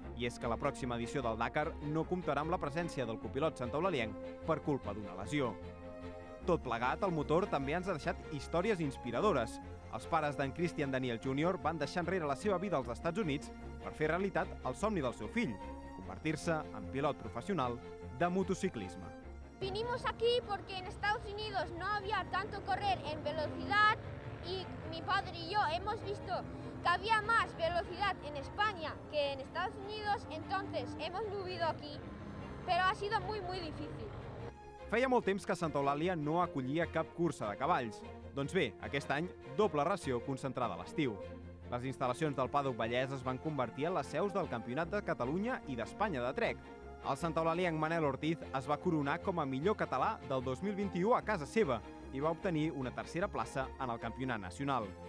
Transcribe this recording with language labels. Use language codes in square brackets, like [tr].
[ca] I és que la pròxima edició del Dakar no comptarà amb la presència del copilot santaolalienc per culpa d'una lesió. Tot plegat, el motor també ens ha deixat històries inspiradores. Els pares d'en Christian Daniel Jr. van deixar enrere la seva vida als Estats Units per fer realitat el somni del seu fill, convertir-se en pilot professional de motociclisme. [es] Vinimos aquí porque en Estados Unidos no había tanto correr en velocidad y mi padre y yo hemos visto que había más velocidad en España que en Estados Unidos, entonces hemos vivido aquí, pero ha sido muy, muy difícil. [ca] Feia molt temps que Santa Eulàlia no acollia cap cursa de cavalls. Doncs bé, aquest any, doble ració concentrada a l'estiu. Les instal·lacions del Paddock Vallès es van convertir en les seus del Campionat de Catalunya i d'Espanya de Trek. El santaolalienc Manel Ortiz es va coronar com a millor català del 2021 a casa seva i va obtenir una tercera plaça en el campionat nacional.